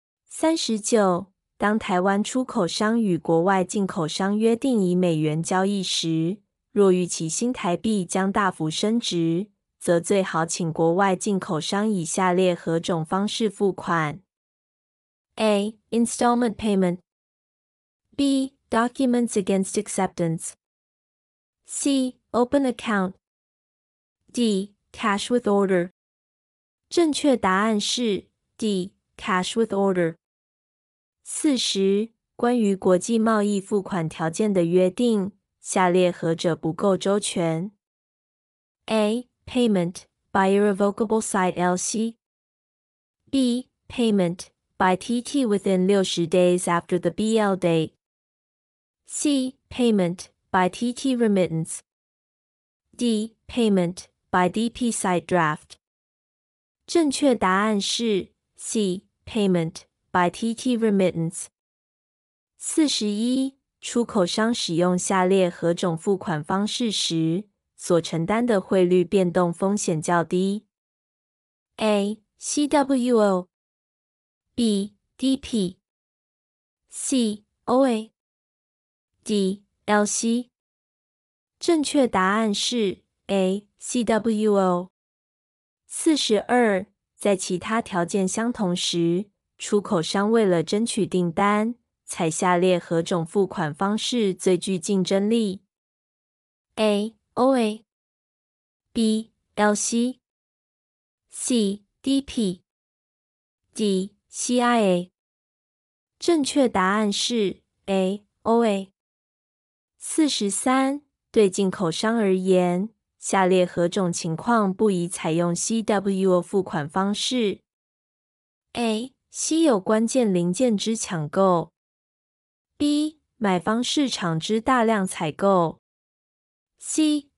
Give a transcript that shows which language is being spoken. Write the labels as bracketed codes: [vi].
[zh] 39，当台湾出口商与国外进口商约定以美元交易时，若预期新台币将大幅升值，则最好请国外进口商以下列何种方式付款？ [en] A. Installment payment. B. Documents against acceptance. C. Open account. D. Cash with order. [zh] 正确答案是 D. [en] Cash with order. [zh] 40. 关于国际贸易付款条件的约定，下列何者不够周全？ [en] A. Payment by irrevocable side LC. B. Payment. By TT within 60 days after the BL date. C. Payment by TT remittance. D. Payment by DP side draft. [zh] 正确答案是 C. [en] Payment by TT remittance. 41. [zh] 出口商使用下列何种付款方式时，所承担的汇率变动风险较低 ？A. [en] CWO. B. DP. C. OA. D. LC. [zh] 正确答案是 A. CWO. 42. 在其他条件相同时，出口商为了争取订单，采下列何种付款方式最具竞争力 ？A. [en] OA. B. LC. C. DP. D. [zh] CIA， 正确答案是 A OA。 43，对进口商而言，下列何种情况不宜采用 CWO 付款方式 ？A. 稀有关键零件之抢购。B. 买方市场之大量采购。C.